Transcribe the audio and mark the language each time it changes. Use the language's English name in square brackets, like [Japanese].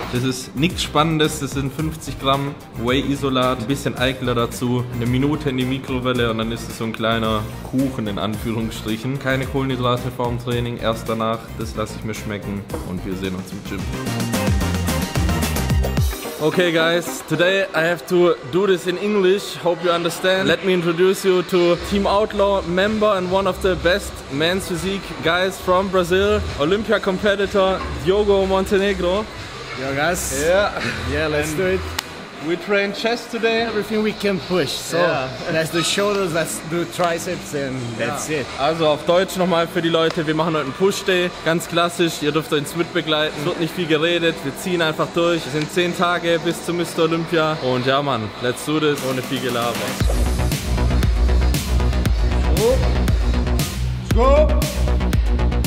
[German] Das ist nichts Spannendes, das sind 50 Gramm Whey-Isolat, ein bisschen Eikler dazu, 1 Minute in die Mikrowelle und dann ist es so ein kleiner Kuchen in Anführungsstrichen. Keine Kohlenhydrate vor dem Training, erst danach, das lasse ich mir schmecken und wir sehen uns im Gym. [English] Okay guys, today I have to do this in English, hope you understand. Let me introduce you to Team Outlaw member and one of the best men's physique guys from Brazil, Olympia competitor Diogo Montenegro. Yo guys. Yeah, let's do it. We train chest today. Everything we can push. So that's the shoulders, let's do triceps and that's it. [German] Also auf Deutsch nochmal für die Leute, wir machen heute einen Push-Day. Ganz klassisch, ihr dürft uns mitbegleiten. Es wird nicht viel geredet, wir ziehen einfach durch. Es sind 10 Tage bis zum Mr. Olympia. Und ja Mann, [English] let's do this. [German] Ohne viel Gelaber. [English] Let's go. Let's go.